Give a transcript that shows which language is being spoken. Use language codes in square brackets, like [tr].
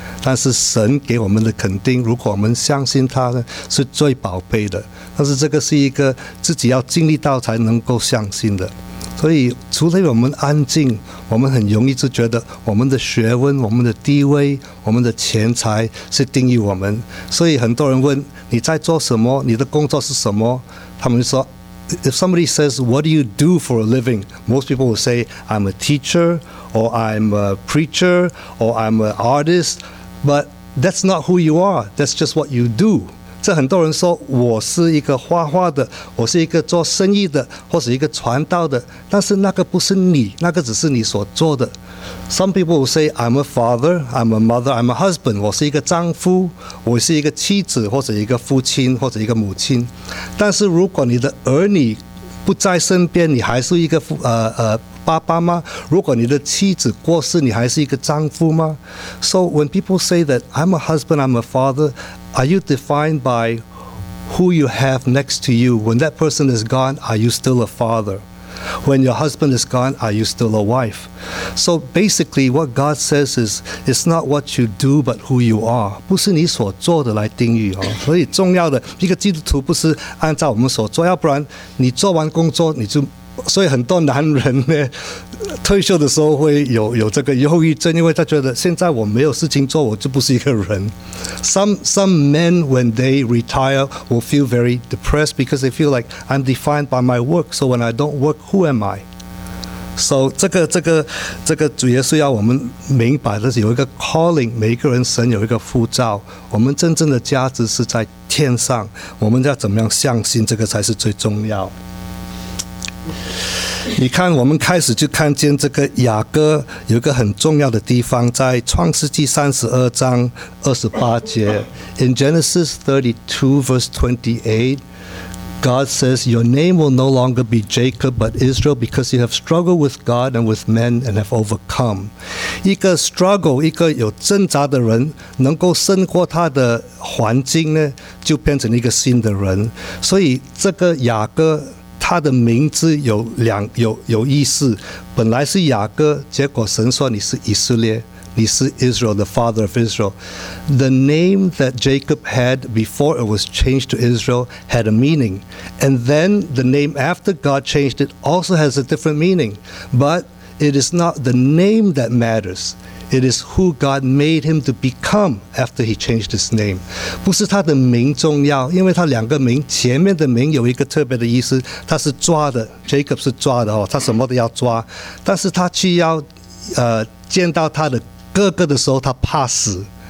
[zh] 但是神给我们的肯定，如果我们相信他呢，是最宝贝的。但是这个是一个自己要经历到才能够相信的。所以除了我们安静，我们很容易就觉得我们的学问、我们的地位、我们的钱财是定义我们。所以很多人问你在做什么，你的工作是什么，他们就说 [en] If somebody says what do you do for a living, most people will say I'm a teacher or I'm a preacher or I'm an artist, but that's not who you are, that's just what you do. [zh] 这很多人说我是一个画画的，我是一个做生意的，或是一个传道的，但是那个不是你，那个只是你所做的。 [en] Some people will say I'm a father, I'm a mother, I'm a husband, [zh] 我是一个丈夫，我是一个妻子，或者一个父亲，或者一个母亲。但是如果你的儿女不在身边，你还是一个爸爸吗？如果你的妻子过世，你还是一个丈夫吗？ [en] So when people say that I'm a husband, I'm a father, are you defined by who you have next to you? When that person is gone, are you still a father? When your husband is gone, are you still a wife? So basically what God says is, it's not what you do, but who you are. [zh] 不是你所做的来定义、哦、所以重要的一个基督徒不是按照我们所做，要不然你做完工作你就，所以很多男人呢，退休的时候会有这个忧郁症，因为他觉得现在我没有事情做，我就不是一个人。 [en] Some men when they retire will feel very depressed because they feel like I'm defined by my work. So when I don't work, who am I? [zh] So 这个主耶稣要我们明白的是有一个 calling， 每一个人神有一个呼召，我们真正的价值是在天上，我们要怎么样相信这个才是最重要。你看我们开始就看见这个雅各有一个很重要的地方，在创世纪三十二章二十八节。 [en] In Genesis 32 verse 28 God says your name will no longer be Jacob but Israel because you have struggled with God and with men and have overcome. [zh] 一个 struggle 一个有挣扎的人能够胜过他的环境呢，就变成一个新的人。所以这个雅各他的名字有意思，本来是雅各，结果神说你是以色列，你是 Israel, [en] the father of Israel. The name that Jacob had before it was changed to Israel had a meaning. And then the name after God changed it also has a different meaning. But it is not the name that matters. It is who God made him to become after he changed his name. [zh] 不是他的名重要，因为他两个名前面的名有一个特别的意思，他是抓的， Jacob 是抓的，他什么都要抓，但是他去要见到他的哥哥的时候他怕死。